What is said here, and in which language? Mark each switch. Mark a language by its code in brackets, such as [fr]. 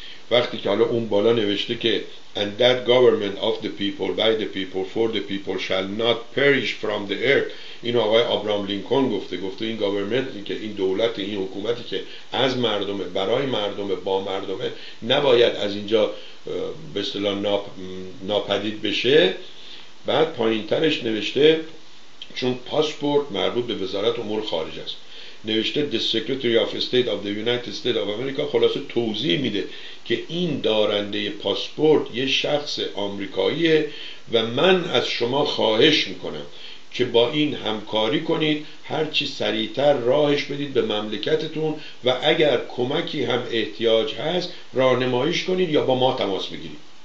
[fa] وقتی که حالا اون بالا نوشته که [en] and that government of the people by the people for the people shall not perish from the earth، [fa] این آقای آبراهام لینکلن گفته این government، این دولت، این حکومتی که از مردمه، برای مردمه، با مردمه، نباید از اینجا به اصطلاح ناپدید بشه. بعد پایین ترش نوشته چون پاسپورت مربوط به وزارت امور خارج است. نوشته [en] The Secretary of State of the United States of America. [fa] خلاصه توضیح میده که این دارنده پاسپورت یه شخص آمریکاییه و من از شما خواهش میکنم که با این همکاری کنید، هر چی سریعتر راهش بدید به مملکتتون و اگر کمکی هم احتیاج هست راهنماییش کنید یا با ما تماس بگیرید.